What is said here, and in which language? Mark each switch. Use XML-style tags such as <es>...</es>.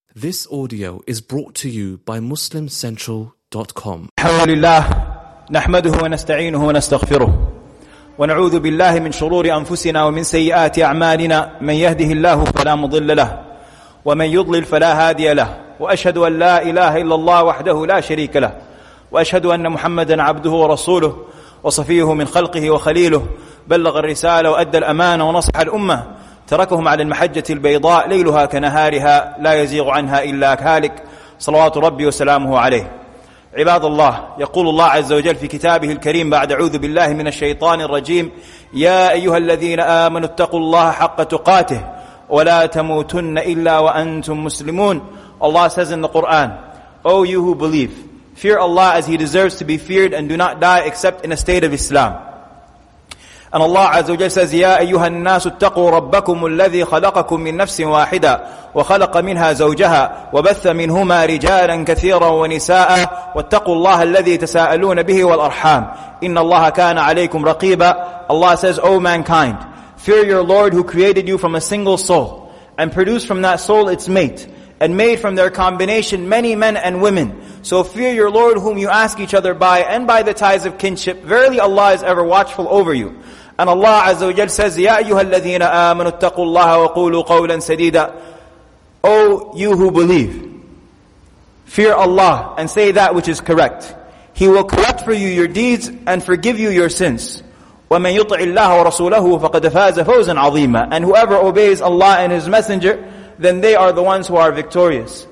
<en>This audio is brought to you by MuslimCentral.com.</en> <ar>الحمد لله نحمده ونستعينه ونستغفره ونعوذ بالله من شرور أنفسنا ومن سيئات أعمالنا من يهده الله فلا مضل له ومن يضلل فلا هادي له وأشهد أن لا إله إلا الله وحده لا شريك له وأشهد أن محمدا عبده ورسوله وصفيه من خلقه وخليله بلغ الرسالة وأدى الأمانة ونصح الأمة تركهم على المحجة البيضاء ليلها كنهارها لا يزيغ عنها إلا هالك صلوات ربي وسلامه عليه. عباد الله، يقول الله عز وجل في كتابه الكريم بعد أعوذ بالله من الشيطان الرجيم: يا أيها الذين آمنوا اتقوا الله حق تقاته ولا تموتن إلا وأنتم مسلمون.</ar> <en>Allah says in the Quran, O you who believe, fear Allah as He deserves to be feared and do not die except in a state of Islam. And Allah Azza wa Jalla says,</en> <ar>يَا أَيُّهَا النَّاسُ اتَّقُوا رَبَّكُمُ الَّذِي خَلَقَكُم مِّن نَّفْسٍ وَاحِدَةٍ وَخَلَقَ مِنْهَا زَوْجَهَا وَبَثَّ مِنْهُمَا رِجَالًا كَثِيرًا وَنِسَاءً وَاتَّقُوا اللَّهَ الَّذِي تَسَاءَلُونَ بِهِ وَالْأَرْحَامَ إِنَّ اللَّهَ كَانَ عَلَيْكُمْ رَقِيبًا.</ar> <en>Allah says, O mankind, fear your Lord who created you from a single soul and produced from that soul its mate and made from their combination many men and women. So fear your Lord whom you ask each other by and by the ties of kinship. Verily Allah is ever watchful over you. And Allah Azza wa Jal says,</en> <ar>يَا أَيُّهَا الَّذِينَ آمَنُوا اتَّقُوا اللَّهَ وَقُولُوا قَوْلًا سَدِيدًا.</ar> <en>O you who believe, fear Allah and say that which is correct. He will correct for you your deeds and forgive you your sins.</en> <ar>وَمَنْ يُطْعِ اللَّهَ وَرَسُولَهُ فَقَدْ فَازَ فَوْزًا عَظِيمًا.</ar> <en>And whoever obeys Allah and His Messenger, then they are the ones who are victorious.</en>